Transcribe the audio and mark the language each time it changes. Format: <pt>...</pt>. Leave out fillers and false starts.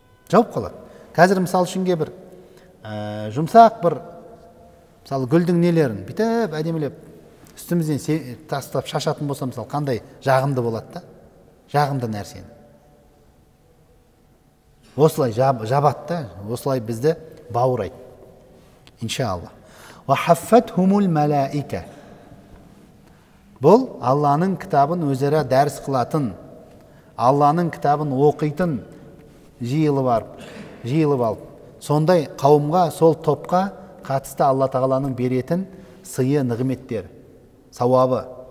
<kk>Жауып қалады. Қазір мысал үшін бір жұмсақ бір мысалы гүлдің нелерін бітіп әдемілеп үстімізден тастап шашатын болса мысалы қандай жағымды болады да? Жағымды нәрсені. осылай жабады да, осылай бізді бауырайды. Иншалла.</kk> <ar>Вахаффат хумул малаика.</ar> <kk>Бұл Алланың кітабын өзара дәріс қылатын, Алланың кітабын оқитын жиылып алып. Сондай қауымға, сол топқа қатысты Алла Тағаланың беретін сыйы, нығметтер, сауабы.</kk>